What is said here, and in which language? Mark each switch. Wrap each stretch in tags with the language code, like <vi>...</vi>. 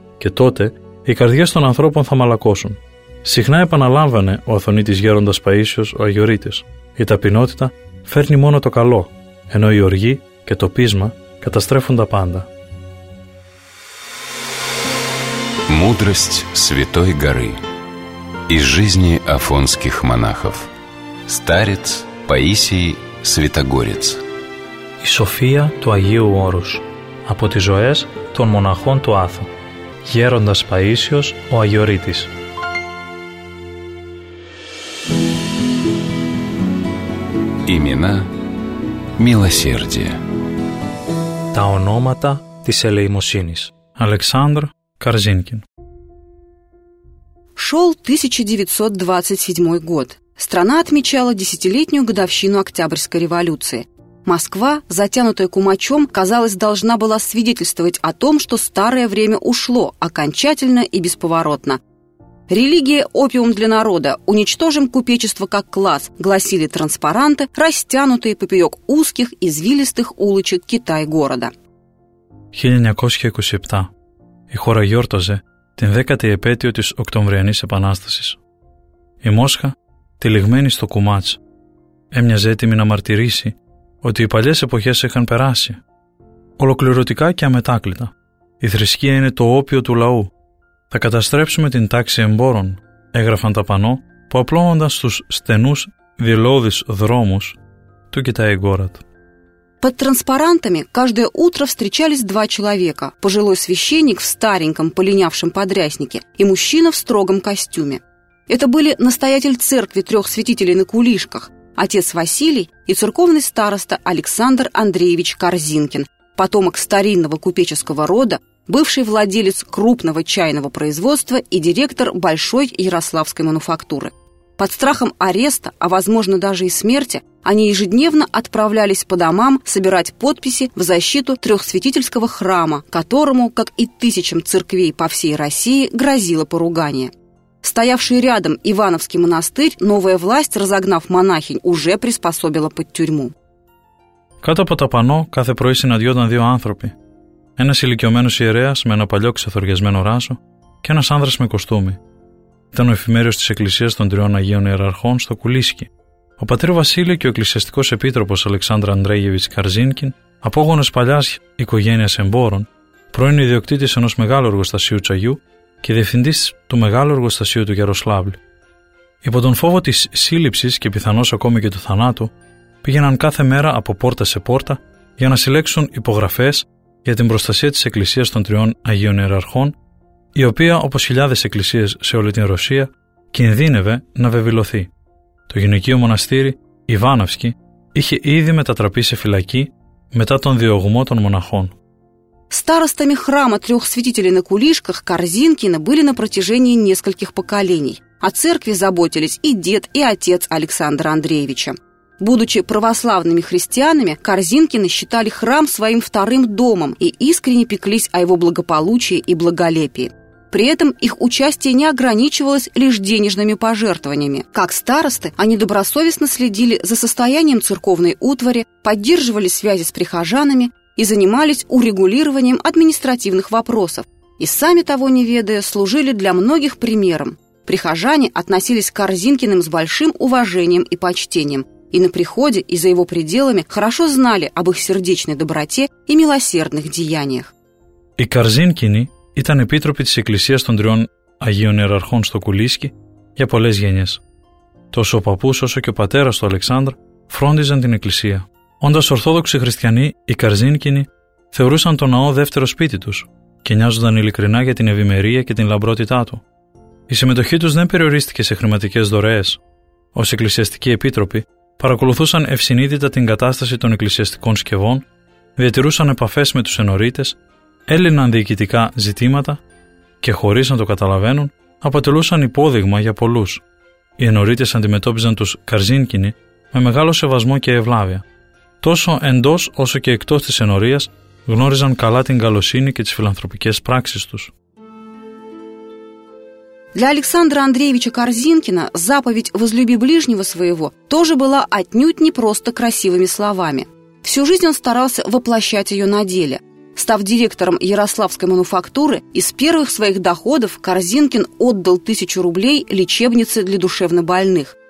<el>Και τότε, οι καρδιές των ανθρώπων θα μαλακώσουν. Συχνά επαναλάμβανε ο Αθωνίτης Γέροντας Παΐσιος, ο Αγιορείτης. Η ταπεινότητα φέρνει μόνο το καλό, ενώ η οργή και το πείσμα καταστρέφουν τα πάντα.</el> <ru>Мудрость Святой Горы из жизни афонских монахов. Старец Паисий Святогорец.</ru> <el>Η σοφία του Αγίου Όρους από τις ζωές των μοναχών του Άθου. Γέροντας Παΐσιος, ο Αγιορείτης.</el> <ru>Имена милосердия.</ru> <el>Τα ονόματα της ελεημοσύνης. Αλεξάνδρ Корзинкин.</el> <ru>Шел 1927 год. Страна отмечала десятилетнюю годовщину Октябрьской революции. Москва, затянутая кумачом, казалось, должна была свидетельствовать о том, что старое время ушло окончательно и бесповоротно. «Религия – опиум для народа, уничтожим купечество как класс», гласили транспаранты, растянутые поперек узких, извилистых улочек Китай-города.</ru> <el>1927. Η χώρα γιόρταζε την 10η επέτειο της Οκτωβριανής Επανάστασης. Η Μόσχα, τυλιγμένη στο κουμάτς, έμοιαζε έτοιμη να μαρτυρήσει ότι οι παλιές εποχές είχαν περάσει. Ολοκληρωτικά και αμετάκλητα. «Η θρησκεία είναι το όπιο του λαού. Θα καταστρέψουμε την τάξη εμπόρων», έγραφαν τα πανό που απλώνονταν στους στενούς διελώδεις δρόμους του Κιταϊγκόρατ.</el> <ru>Под транспарантами каждое утро встречались два человека – пожилой священник в стареньком, полинявшем подряснике и мужчина в строгом костюме. Это были настоятель церкви трех святителей на кулишках – отец Василий и церковный староста Александр Андреевич Корзинкин, потомок старинного купеческого рода, бывший владелец крупного чайного производства и директор Большой Ярославской мануфактуры. Под страхом ареста, а возможно даже и смерти, они ежедневно отправлялись по домам собирать подписи в защиту трехсвятительского храма, которому, как и тысячам церквей по всей России, грозило поругание. Стоявший рядом Ивановский монастырь, новая власть, разогнав монахинь, уже приспособила под тюрьму. Кто по тапано, каждое утро синодиодан дво анthropи.</ru> <el>Ένα ηλικιωμένος ιερέας με ένα παλιό ξεθοριασμένο ράσο και ένας άνδρας με κοστούμι. Ήταν ο εφημέριος της Εκκλησίας των Τριών Αγίων Ιεραρχών στο Κουλίσκι. Ο πατήρ Βασίλειο και ο εκκλησιαστικός επίτροπος Αλεξάνδρα Ανδρέγεβιτς Καρζίνκιν, απόγονος παλιάς οικογένειας εμπόρων, πρώην ιδιοκτήτης ενός μεγάλου εργοστασίου τσαγιού και διευθυντής του μεγάλου εργοστασίου του Γεροσλάβλη. Υπό τον φόβο της σύλληψης και πιθανώς ακόμη και του θανάτου, πήγαιναν κάθε μέρα από πόρτα σε πόρτα για να συλλέξουν υπογραφές για την προστασία της Εκκλησίας των Τριών Αγίων Ιεραρχών, η οποία, όπως χιλιάδες εκκλησίες σε όλη την Ρωσία, κινδύνευε να βεβηλωθεί. Το γυναικείο μοναστήρι, Ιβάνοφσκι, είχε ήδη μετατραπεί σε φυλακή μετά τον διωγμό των μοναχών.</el> <ru>Старостами храма трех святителей на кулишках Корзинкина были на протяжении нескольких поколений. О церкви заботились и дед, и отец Александра Андреевича. Будучи православными христианами, Корзинкины считали храм своим вторым домом и искренне пеклись о его благополучии и благолепии. При этом их участие не ограничивалось лишь денежными пожертвованиями. Как старосты, они добросовестно следили за состоянием церковной утвари, поддерживали связи с прихожанами и занимались урегулированием административных вопросов. И сами того не ведая, служили для многих примером. Прихожане относились к Корзинкиным с большим уважением и почтением. И на приходе, и за его пределами хорошо знали об их сердечной доброте и милосердных деяниях.</ru> <el>Οι Καρζίνκινοι ήταν επίτροποι της Εκκλησίας των Τριών Αγίων Ιεραρχών στο Κουλίσκι για πολλές γενιές. Τόσο ο παππούς όσο και ο πατέρας του Αλεξάνδρ φρόντιζαν την Εκκλησία. Όντας Ορθόδοξοι Χριστιανοί, οι Καρζίνκινοι θεωρούσαν τον ναό δεύτερο σπίτι τους και νοιάζονταν ειλικρινά για την ευημερία και την λαμπρότητά του. Η συμμετοχή τους δεν περιορίστηκε σε χρηματικές δωρεές. Ως Εκκλησιαστική Επίτροπη, παρακολουθούσαν ευσυνείδητα την κατάσταση των εκκλησιαστικών σκευών, διατηρούσαν επαφές με τους ενορίτες, έλυναν διοικητικά ζητήματα και χωρίς να το καταλαβαίνουν, αποτελούσαν υπόδειγμα για πολλούς. Οι ενορίτες αντιμετώπιζαν τους Καρζίνκινοι με μεγάλο σεβασμό και ευλάβεια. Τόσο εντός όσο και εκτός της ενορίας, γνώριζαν καλά την καλοσύνη και τις φιλανθρωπικές πράξεις τους.</el> <ru>Для Александра Андреевича Корзинкина заповедь «Возлюби ближнего своего» тоже была отнюдь не просто красивыми словами. Всю жизнь он старался воплощать ее на деле. Став директором Ярославской мануфактуры, из первых своих доходов Корзинкин отдал 1000 рублей лечебнице для душевнобольных.</ru>